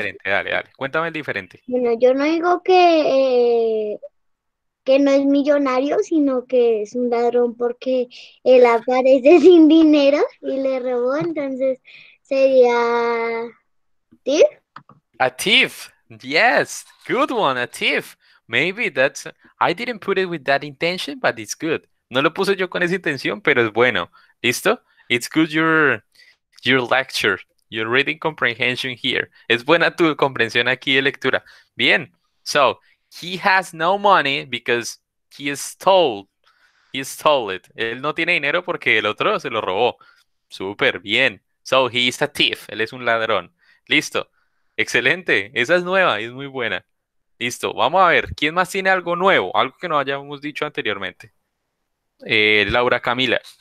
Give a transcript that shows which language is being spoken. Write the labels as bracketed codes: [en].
[es] diferente. Dale, dale, cuéntame el diferente. Bueno, yo no digo que no es millonario, sino que es un ladrón porque él aparece sin dinero y le robó, entonces sería ¿sí? [en] A thief, yes, good one, a thief. Maybe that's, I didn't put it with that intention, but it's good. [es] No lo puse yo con esa intención, pero es bueno. ¿Listo? [en] It's good your lecture, your reading comprehension here. [es] Es buena tu comprensión aquí de lectura. Bien. [en] So, he has no money because he stole it. [es] Él no tiene dinero porque el otro se lo robó. Súper bien. [en] So, he is a thief. [es] Él es un ladrón. ¿Listo? Excelente, esa es nueva y es muy buena. Listo, vamos a ver, ¿quién más tiene algo nuevo? Algo que no hayamos dicho anteriormente. Laura Camila.